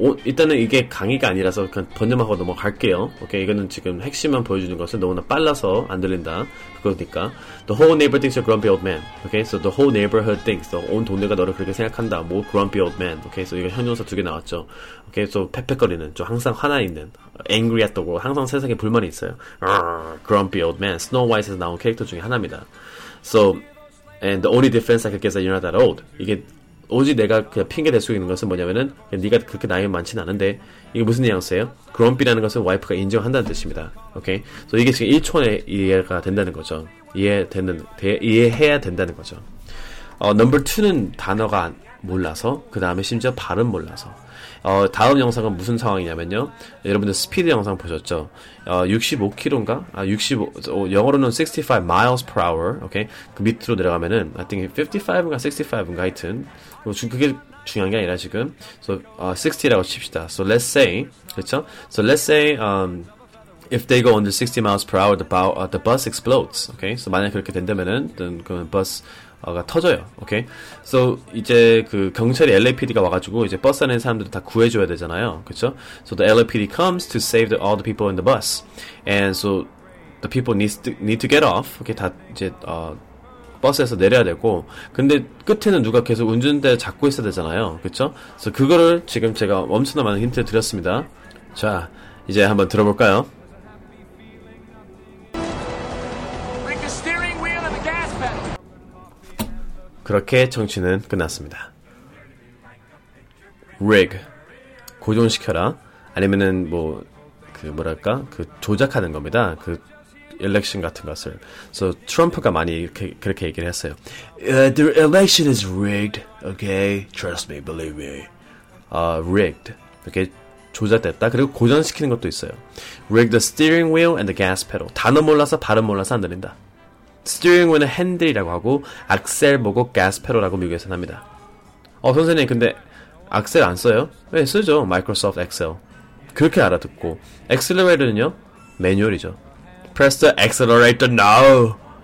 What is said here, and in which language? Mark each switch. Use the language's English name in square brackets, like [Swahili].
[Korean] 일단은 이게 강의가 아니라서 그냥 번역하고 넘어갈게요. 오케이, 이거는 지금 핵심만 보여주는 것은 너무나 빨라서 안 들린다. 그러니까 [English] The whole neighbor thinks you're a grumpy old man. Okay, so the whole neighborhood thinks. [Korean] So 온 동네가 너를 그렇게 생각한다. 뭐 grumpy old man. Okay, so 이거 형용사 두 개 나왔죠. Okay, so 페페거리는 좀 항상 화나 있는 [English] angry at the world. [Korean] 항상 세상에 불만이 있어요. [English] Grumpy old man. [Korean] Snow White에서 나온 캐릭터 중에 하나입니다. [English] So and the only defense I could get is that you're not that old. [Korean] 이게 오직 내가 그냥 핑계 댈 수 있는 것은 뭐냐면은 네가 그렇게 나이 많진 않은데, 이게 무슨 뉘앙스예요? Grumpy라는 것은 와이프가 인정한다는 뜻입니다. 오케이? 그래서 이게 지금 1초에 이해가 된다는 거죠. 이해해야 된다는 거죠. 넘버 2는 단어가 몰라서, 그 다음에 심지어 발음 몰라서. 다음 영상은 무슨 상황이냐면요, 여러분들 스피드 영상 보셨죠? 65km인가? 영어로는 [English] 65 miles per hour. [Korean] 오케이? 그 밑으로 내려가면은 [English] I think [Korean] 55인가 65인가 하여튼 그게 중요한 게 아니라 지금 so 60라고 칩시다. [English] So let's say, [Korean] 그렇죠? [English] So let's say if they go under 60 miles per hour, the bus explodes. [Korean] 오케이? So 만약 그렇게 된다면은 그러면 버스 가 터져요. 오케이? Okay? So 이제 그 경찰이 LAPD가 와가지고 이제 버스 안에 사람들을 다 구해줘야 되잖아요. 그렇죠? [English] So the LAPD comes to save all the people in the bus. And so the people need to get off. [Korean] 이렇게 다 이제 버스에서 내려야 되고, 근데 끝에는 누가 계속 운전대 잡고 있어야 되잖아요. 그렇죠? So 그거를 지금 제가 엄청난 많은 힌트를 드렸습니다. 자, 이제 한번 들어볼까요? [English] Break the steering wheel and the gas pedal. [Korean] 그렇게 청취는 끝났습니다. Rig, 고정시켜라. 아니면은 그 조작하는 겁니다. 그 election 같은 것을. So 트럼프가 많이 그렇게 얘기를 했어요. [English] The election is rigged, okay? Trust me, believe me. [Korean] Rigged, 이렇게 조작됐다. 그리고 고정시키는 것도 있어요. [English] Rig the steering wheel and the gas pedal. [Korean] 단어 몰라서 발음 몰라서 안 들린다. Steering wheel은 핸들이라고 하고 악셀 보고 가스페로라고 미국에서 합니다. 선생님 근데 악셀 안 써요? 네, 쓰죠. 마이크로소프트 엑셀. 그렇게 알아듣고. 엑셀러레이터는요? 매뉴얼이죠. [English] Press the accelerator now.